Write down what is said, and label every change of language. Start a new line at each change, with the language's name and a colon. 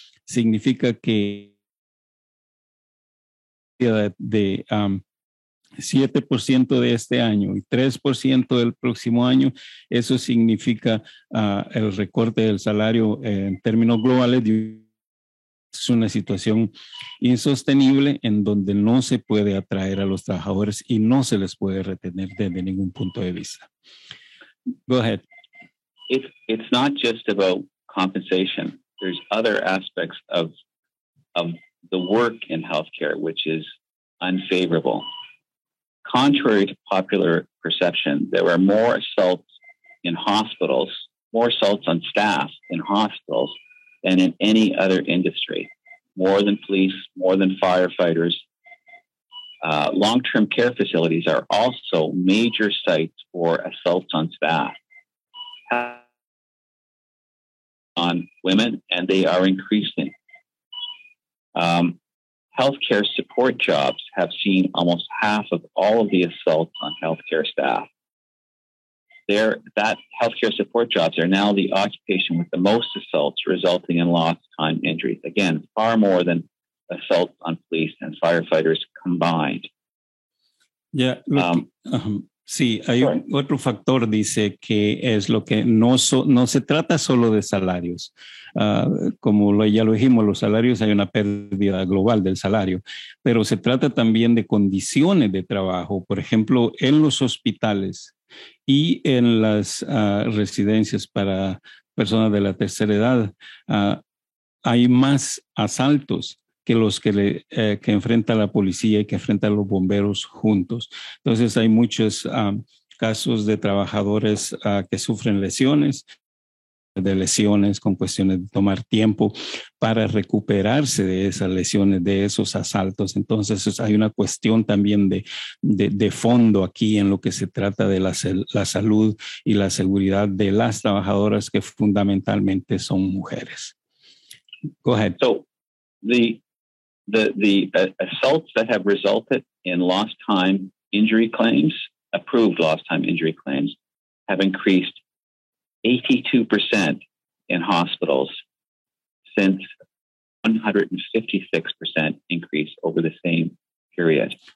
Spanish: Significa que de 7% de este año y 3% del próximo año, eso significa el recorte del salario en términos globales. Es una situación insostenible en donde no se puede atraer a los trabajadores y no se les puede retener desde ningún punto de vista.
English: Go ahead. It's not just about compensation. There's other aspects of the work in healthcare, which is unfavorable. Contrary to popular perception, there are more assaults in hospitals, more assaults on staff in hospitals than in any other industry, more than police, more than firefighters. Long-term care facilities are also major sites for assaults on staff, on women, and they are increasing. Healthcare support jobs have seen almost half of all of the assaults on healthcare staff. That healthcare support jobs are now the occupation with the most assaults, resulting in lost time injuries. Again, far more than assaults on police and firefighters combined. Yeah.
Spanish: Sí, hay otro factor, dice, que es lo que no se trata solo de salarios. Como ya lo dijimos, los salarios, hay una pérdida global del salario, pero se trata también de condiciones de trabajo, por ejemplo, en los hospitales y en las residencias para personas de la tercera edad. Hay más asaltos que los que enfrenta la policía y que enfrenta los bomberos juntos. Entonces hay muchos casos de trabajadores que sufren lesiones con cuestiones de tomar tiempo para recuperarse de esas lesiones, de esos asaltos. Entonces hay una cuestión también de fondo aquí en lo que se trata de la salud y la seguridad de las trabajadoras, que fundamentalmente son mujeres. Go ahead.
English: The assaults that have resulted in lost time injury claims, approved lost time injury claims, have increased 82% in hospitals since 156% increase over the same period.